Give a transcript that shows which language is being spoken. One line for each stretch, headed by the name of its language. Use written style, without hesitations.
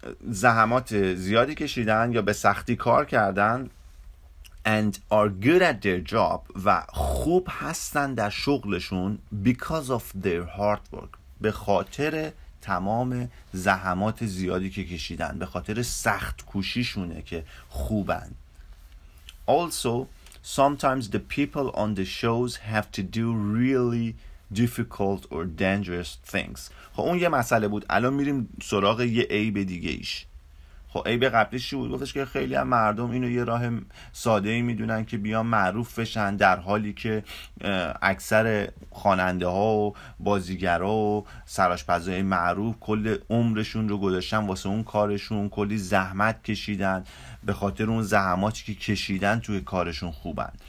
Persian: زحمات زیادی کشیدن یا به سختی کار کردن،
English: and are good at their job،
Persian: و خوب هستن در شغلشون،
English: because of their hard work،
Persian: به خاطر تمام زحمات زیادی که کشیدن، به خاطر سخت کوشیشونه که خوبن.
English: Also sometimes the people on the shows have to do really difficult or dangerous things.
Persian: خب اون یه مسئله بود، الان میریم سراغ یه عیب دیگه ایش. خب عیب قبلیش بود، گفتش که خیلی از مردم اینو یه راه ساده ای میدونن که بیان معروف بشن، در حالی که اکثر خواننده ها و بازیگرا و سراشپزای معروف کل عمرشون رو گذاشتن واسه اون کارشون، کلی زحمت کشیدن، به خاطر اون زحماتی که کشیدن توی کارشون خوبن.